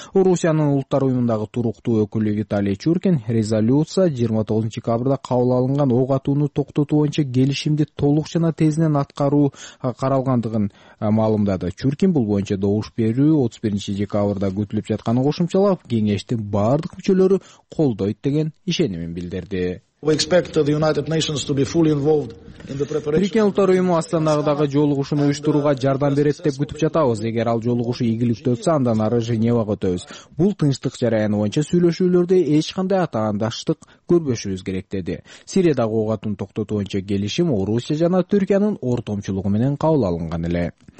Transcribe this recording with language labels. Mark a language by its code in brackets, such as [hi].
[ky] Орусиянын улуттар уюмундагы туруктуу өкүлү Виталий Чуркин резолюция 29 декабрда кабыл алынган ок атууну токтотуу боюнча келишимди толук жана тезинен аткаруу каралгандыгын маалымдады. Чуркин бул боюнча добуш берүү 31 декабрда күтүлүп жатканын кошумчалап, кеңештин баардык мүчөлөрү колдойт деген ишенимин билдирди. [en] We expect the United Nations to be fully involved in the preparation. [ky] Бириккен Улуттар Уюму Астанадагы жолугушууну уюштурууга жардам берет деп күтүп жатабыз. Эгер ал жолугушуу ийгиликтүү өтсө, андан ары Женевага өтөбүз. Бул тынчтык жараяны боюнча сүйлөшүүлөрдө эч кандай атаандаштык көрбөшүбүз керек деди. Сириядагы ок атууну токтотуу боюнча келишим Орусия жана Түркиянын ортомчулугу менен кабыл алынган эле.